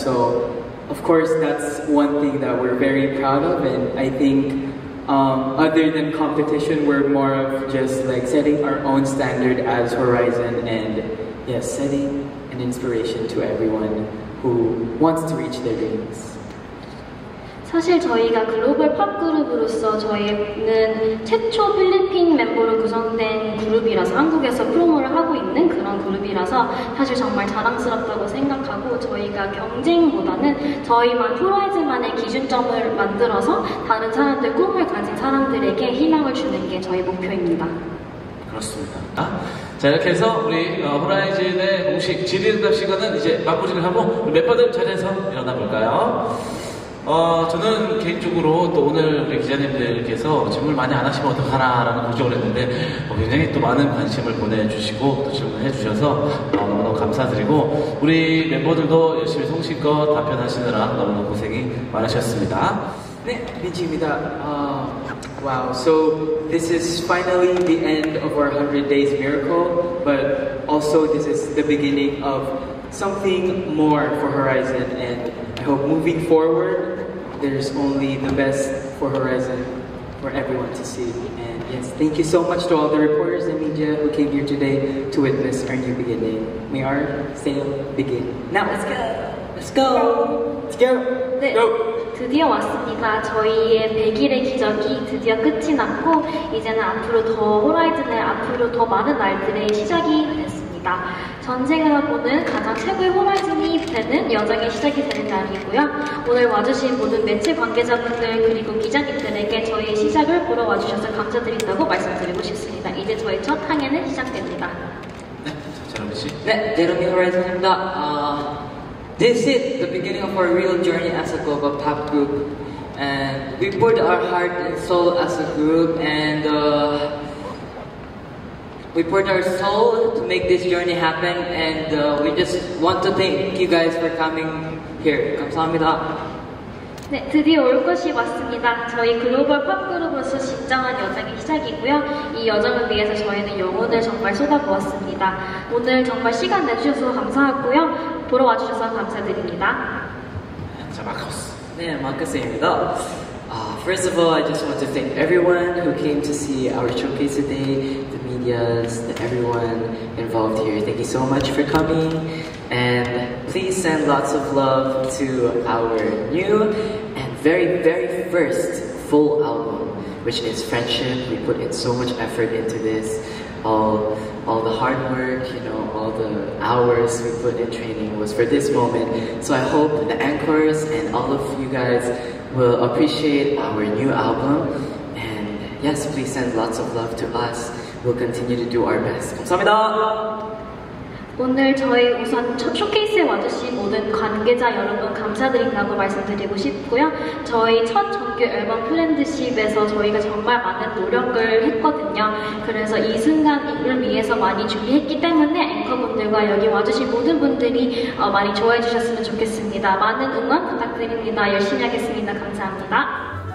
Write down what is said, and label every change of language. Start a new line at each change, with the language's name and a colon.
English: So, of course, that's one thing that we're very proud of, and I think other than competition, we're more of just like setting our own standard as Horizon and, yes, setting an inspiration to everyone who wants to reach their dreams.
Korean: 사실 저희가 글로벌 팝 그룹으로서 저희는 최초 필리핀 멤버로 구성된 그룹이라서 한국에서 프로모를 하고 있는 그런 그룹이라서 사실 정말 자랑스럽다고 생각하고 저희가 경쟁보다는 저희만 프로이즈만의 기준점을 만들어서 다른 사람들 꿈을 가진 사람들에게 희망을 주는 게 저희 목표입니다. 그렇습니다. 아? 자, 이렇게 해서 우리 호라이즌의 공식 질의응답 시간은 이제 마무리를 하고 멤버들 차례에서 일어나 볼까요? 저는 개인적으로 또 오늘 우리 기자님들께서 질문을 많이 안 하시면 어떡하나 라는 걱정을 했는데 굉장히 또 많은 관심을 보내주시고 또 질문을 해주셔서 너무너무 감사드리고 우리 멤버들도 열심히 성실껏 답변하시느라 너무너무 고생이 많으셨습니다. 네, 민지입니다.
English: Wow, so this is finally the end of our 100 Days Miracle, but also this is the beginning of something more for Horizon, and I hope moving forward, there's only the best for Horizon for everyone to see. And yes, thank you so much to all the reporters and media who came here today to witness our new beginning. May our sale begin now. Let's go. Let's go. Let's go. Let's go.
Korean: 드디어 왔습니다. 저희의 100일의 기적이 드디어 끝이 났고 이제는 앞으로 더 호라이즌의 앞으로 더 많은 날들의 시작이 됐습니다. 전 세계로는 가장 최고의 호라이즌이 되는 여정의 시작이 되는 날이고요. 오늘 와주신 모든 매체 관계자분들 그리고 기자님들에게 저희의 시작을 보러 와주셔서 감사드린다고 말씀드리고 싶습니다. 이제 저희 첫 항해는 시작됩니다. 네, 제롬 씨. 네, 제롬이 호라이즌입니다.
English: This is the beginning of our real journey as a global pop group. And we poured our heart and soul as a group, and we poured our soul to make this journey happen, and we just want to thank you guys for coming here.
Korean: 감사합니다. 네, 드디어 올 것이 왔습니다. 저희 글로벌 팝그룹으로서 진정한 여정이 시작이고요. 이 여정을 위해서 저희는 영혼을 정말 쏟아부었습니다. 오늘 정말 시간 내주셔서 감사하고요. 보러 와주셔서 감사드립니다. 자, 마커스. 네, 마커스입니다.
English: First of all, I just want to thank everyone who came to see our showcase today, the media, everyone involved here. Thank you so much for coming. And please send lots of love to our new and very, very first full album, which is Friendship. We put in so much effort into this. All the hard work, you know, all the hours we put in training was for this moment. So I hope the anchors and all of you guys will appreciate our new album. And yes, please send lots of love to us. We'll continue to do our best.
Korean: 감사합니다. 오늘 저희 우선 첫 쇼케이스에 와주신 모든 관계자 여러분 감사드린다고 말씀드리고 싶고요. 저희 첫 정규 앨범 프렌드십에서 저희가 정말 많은 노력을 했거든요. 그래서 이 순간을 위해서 많이 준비했기 때문에 앵커분들과 여기 와주신 모든 분들이 많이 좋아해 주셨으면 좋겠습니다. 많은 응원 부탁드립니다. 열심히 하겠습니다. 감사합니다.